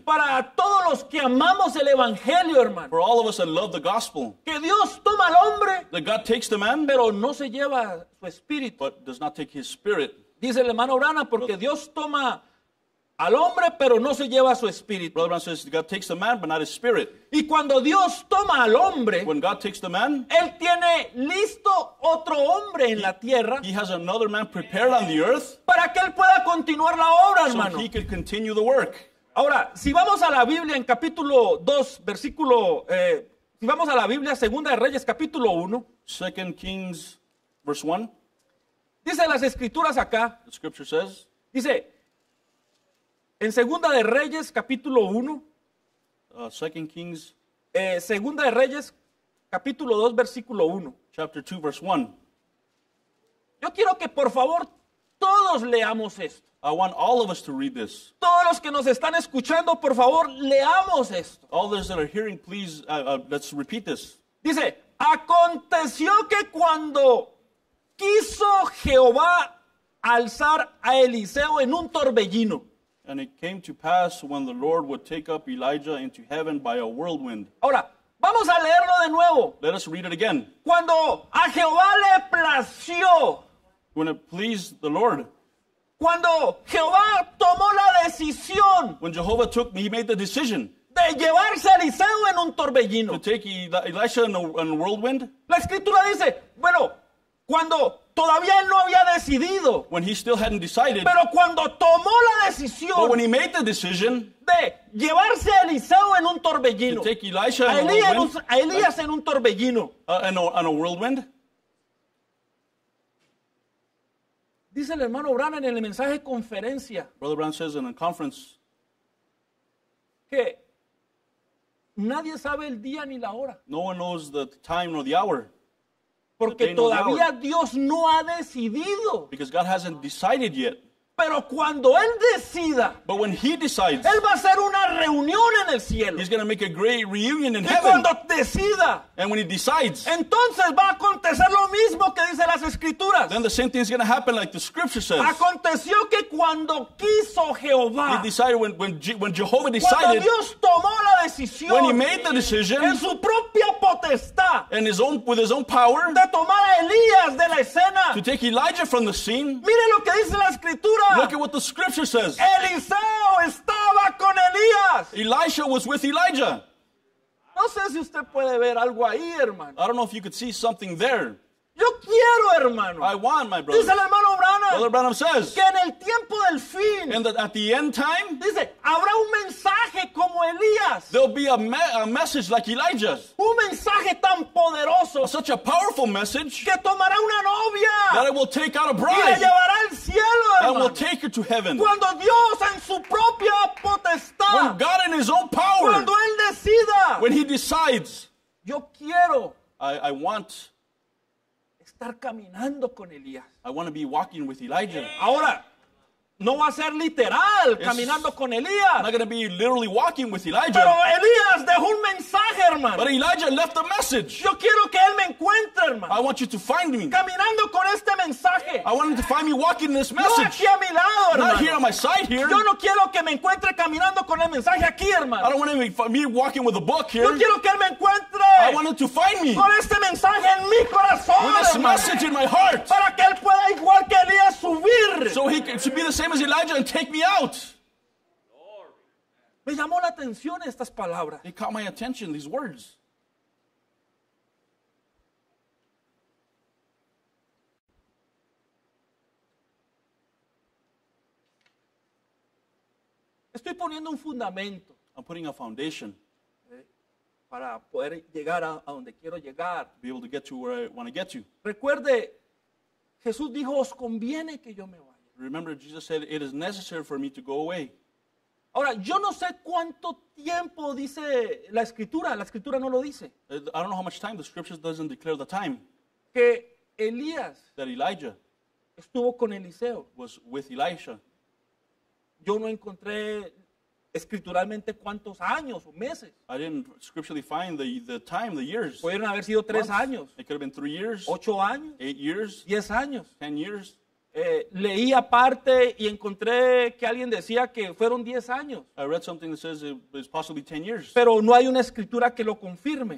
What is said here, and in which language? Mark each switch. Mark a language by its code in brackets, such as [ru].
[es] Para todos los que amamos el evangelio, hermano. [en] For all of us that love the gospel. [es] Que Dios toma al hombre. [en] That God takes the man. [es] Pero no se lleva su espíritu. [en] But does not take his spirit. [es] Dice el hermano Urana, porque Dios toma al hombre, pero no se lleva su espíritu. [en] Brother Branham says, God takes the man, but not his spirit. [es] Y cuando Dios toma al hombre, [en] when God takes the man, [es] él tiene listo otro hombre en la tierra. [en] He has another man prepared on the earth. [es] Para que él pueda continuar la obra, hermano. [en] So he can continue the work. [es] Ahora, si vamos a la Biblia en capítulo 2, versículo, si vamos a la Biblia, Segunda de Reyes, capítulo 1. [en] Second Kings, verse 1. [es] Dice las escrituras acá. [en] The scripture says. [es] Dice en Segunda de Reyes capítulo 1. [en] Second Kings. [es] Segunda de Reyes capítulo 2 versículo 1. [en] Chapter 2 verse 1. [es] Yo quiero que por favor todos leamos esto. [en] I want all of us to read this. [es] Todos los que nos están escuchando, por favor, leamos esto. [en] All those that are hearing, please let's repeat this. [es] Dice, aconteció que cuando quiso Jehová alzar a Eliseo en un torbellino. [en] And it came to pass when the Lord would take up Elijah into heaven by a whirlwind. [es] Ahora, vamos a leerlo de nuevo. [en] Let us read it again. [es] Cuando a Jehová le plació. [en] When it pleased the Lord. [es] Cuando Jehová tomó la decisión. [en] When Jehovah took, he made the decision. [es] De llevarse a Eliseo en un torbellino. [en] To take Elisha in a whirlwind. [es] La escritura dice, bueno, cuando todavía él no había decidido. [en] When he still hadn't decided. [es] Pero cuando tomó la decisión. [en] But when he made the decision. [es] De llevarse a Eliseo en un torbellino. [en] To take Elisha in a whirlwind. [es] A Elías en un torbellino. [en] In a whirlwind. [es] Dice el hermano Branham en el mensaje conferencia. [en] Brother Branham says in a conference. [es] Que nadie sabe el día ni la hora. [en] No one knows the time nor the hour. [es] Porque todavía Dios no ha decidido. [en] Because God hasn't decided yet. [es] Pero cuando Él decida. [en] But when He decides. [es] Él va a hacer una reunión en el cielo. [en] He's going to make a great reunion in [es] y [en] heaven. [es] Y cuando decida. [en] And when He decides. [es] Entonces va a acontecer lo mismo que dice las Escrituras. [en] Then the same thing is going to happen like the Scripture says. [es] Aconteció que cuando quiso Jehová. [en] He decided when Jehovah decided. [es] Cuando Dios tomó la decisión. [en] When He made the decision. [es] En su propia potestad. [en] And with His own power. [es] De tomar a Elías de la escena. [en] To take Elijah from the scene. [es] Mire lo que dice la Escritura. [en] Look at what the scripture says. [es] Eliseo estaba con Elías. [en] Elisha was with Elijah. [es] No sé si usted puede ver algo ahí, hermano. [en] I don't know if you could see something there. [es] Yo quiero, hermano. [en] I want, my brother. [es] Dice el hermano Branham. [en] Brother Branham says. [es] Que en el tiempo del fin. [en] And at the end time. [es] Dice, habrá un mensaje como Elías. [en] There'll be a message like Elijah's. [es] Un mensaje tan poderoso. [en] Such a powerful message. [es] Que tomará una novia. [en] That it will take out a bride. [es] Y la llevará al cielo, hermano. [en] And will take her to heaven. [es] Cuando Dios en su propia potestad. [en] When God in His own power. [es] Cuando Él decida. [en] When He decides. [es] Yo quiero. [en] I want. [es] Estar caminando con Elías. [en] I want to be walking with Elijah. [es] Ahora, no va a ser literal caminando con Elías. [en] I'm not going to be literally walking with Elijah. [es] Pero Elías dejó un mensaje, hermano. [en] But Elijah left a message. [es] Yo quiero que él me encuentre, hermano. [en] I want you to find me. [es] Caminando con este mensaje. [en] I want him to find me walking this message. [es] No aquí a mi lado, hermano. [en] Not here on my side here. [es] Yo no quiero que me encuentre caminando con el mensaje aquí, hermano. [en] I don't want him to find me walking with a book here. [es] Yo quiero que él me encuentre. [en] I want him to find me. [es] Con este mensaje en mi corazón, [en] with this [es] hermano. [en] Message in my heart. [es] Para que él pueda igual que Elías subir. [en] So he can be the same as Elijah and take me out. [es] Me llamó la atención estas palabras. [en] It caught my attention, these words. [es] Estoy poniendo un fundamento. [en] I'm putting a foundation. [es] Para poder llegar a donde quiero llegar. [en] To be able to get to where I want to get to. [es] Recuerde, Jesús dijo, os conviene que yo me vaya. [en] Remember, Jesus said, it is necessary for me to go away. [es] Ahora, yo no sé cuánto tiempo dice la Escritura no lo dice. [en] I don't know how much time, the Scripture doesn't declare the time. [es] Que Elías [en] that Elijah [es] estuvo con Eliseo. [en] Was with Elisha. [es] Yo no encontré escrituralmente cuántos años o meses. [en] I didn't scripturally find the time, the years. [es] Pudieron haber sido tres [en] months. [es] Años. [en] It could have been 3 years. [es] 8 años. [en] 8 years. [es] 10 años. [en] 10 years. [es] Leí aparte y encontré que alguien decía que fueron 10 años. [en] I read something that says it was possibly 10 years. [es] Pero no hay una escritura que lo confirme.